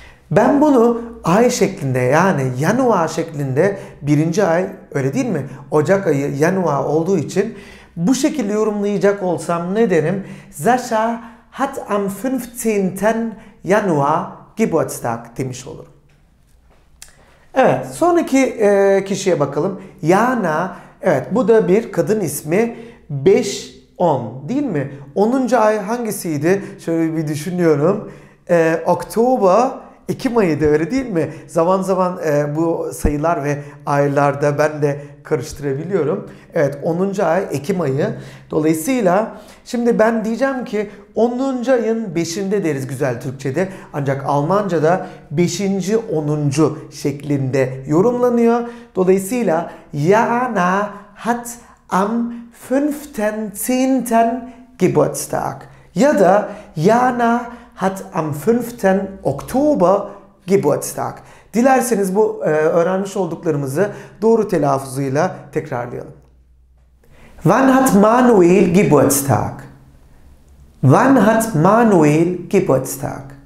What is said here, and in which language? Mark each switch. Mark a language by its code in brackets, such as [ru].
[tr] Ben bunu ay şeklinde, yani Januar şeklinde, birinci ay öyle değil mi? Ocak ayı Januar olduğu için bu şekilde yorumlayacak olsam ne derim? [de] Sascha hat am 15. Januar Geburtstag [tr] demiş olurum. Evet, sonraki kişiye bakalım. Jana, evet bu da bir kadın ismi. 5-10 değil mi? 10. ay hangisiydi? Şöyle bir düşünüyorum. Oktober, Ekim ayıydı, öyle değil mi? Zaman zaman bu sayılar ve aylarda ben de karıştırabiliyorum. Evet, 10. ay Ekim ayı. Dolayısıyla şimdi ben diyeceğim ki 10. ayın 5'inde deriz güzel Türkçe'de. Ancak Almanca'da 5. 10. şeklinde yorumlanıyor. Dolayısıyla [de] Jana hat am 15. Geburtstag. Ja da Jana hat am 15. Oktober Geburtstag. [tr] Dilerseniz bu öğrenmiş olduklarımızı doğru telaffuzuyla tekrarlayalım. [de] Wann hat Manuel Geburtstag? Wann hat Manuel Geburtstag?